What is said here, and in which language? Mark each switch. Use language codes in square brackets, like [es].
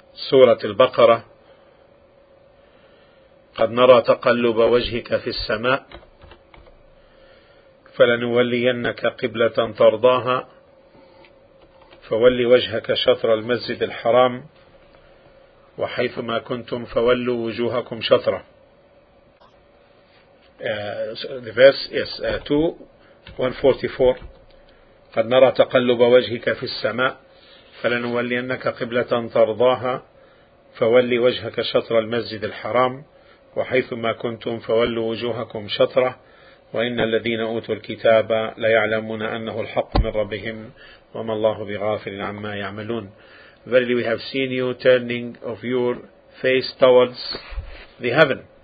[ar] Surah Al-Baqarah, قَدْ نَرَى تَقَلُّبَ وَجْهِكَ فِي السَّمَاءِ فَلَنُوَلِّيَنَّكَ قِبْلَةً تَرْضَاهَا فَوَلِّ وَجْهَكَ شَطْرَ الْمَسْجِدِ الْحَرَامِ وَحَيْثُمَا كُنْتُمْ فَوَلُّوا وُجُوهَكُمْ شَطْرَهُ. [en] The verse is 2, 144. [ar] قَدْ نَرَى تَقَلُّبَ وَجْهِكَ فِي السَّمَاءِ فلنولينك قبلة ترضاها فولي وجهك شطر المسجد الحرام وحيثما كنتم فولوا وجوهكم شطرة وإن الذين أوتوا الكتاب ليعلمون أنه الحق من ربهم وما الله بغافل عما يعملون. [en] Verily we have seen you turning of your face towards the heaven.